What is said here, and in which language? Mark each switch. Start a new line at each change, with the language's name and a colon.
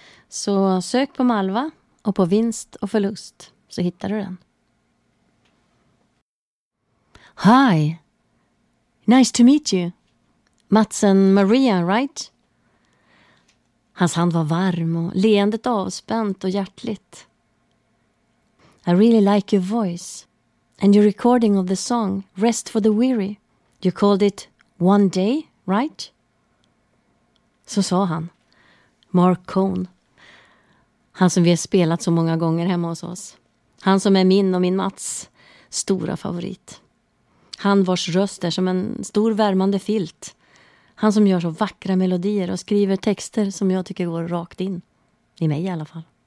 Swedish: Så sök på Malva och på vinst och förlust så hittar du den.
English: Hi. Nice to meet you. Mats and Maria, right?
Swedish: Hans hand var varm och leendet avspänt och hjärtligt.
English: I really like your voice and your recording of the song Rest for the Weary. You called it One Day, right?
Swedish: Så sa han. Mark Cohn. Han som vi har spelat så många gånger hemma hos oss. Han som är min och min Mats stora favorit. Han vars röst är som en stor värmande filt. Han som gör så vackra melodier och skriver texter som jag tycker går rakt in. I mig i alla fall.